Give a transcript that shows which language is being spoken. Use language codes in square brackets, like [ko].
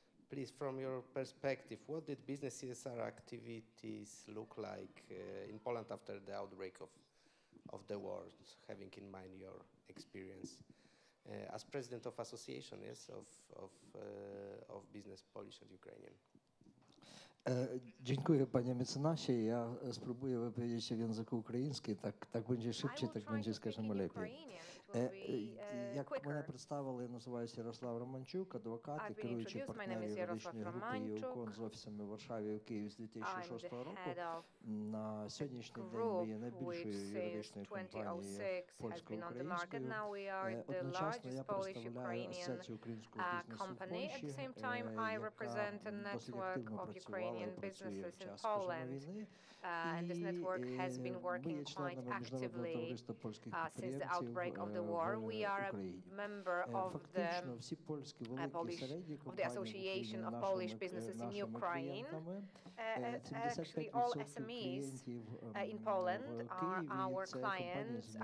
[en] Please, from your perspective, what did business CSR activities look like in Poland after the outbreak of the war, having in mind your experience? As president of association, yes, of business Polish and Ukrainian. [pl] Dziękuję, panie mecenasie. Ja spróbuję wypowiedzieć się w języku ukraińskim. Tak będzie szybciej, tak będzie, skażemy, lepiej. [uk] Jak мене представили, я називаюся Ярослав Романчук, адвокат і керуючий партнер юридичної групи ЄУКОН з офісами в Варшаві, в Києві з 2006 року. На сьогоднішній день ми є найбільшою юридичною компанією польсько-українською. Одночасно я представляю асоціацію українського бізнесу в Польщі, яка досить активно працювала і працює в час кожної війни. [en] And this network has been working quite actively since the outbreak of the war. We are a member of the Association of Polish Businesses in Ukraine. Actually, all SMEs in Poland are our clients.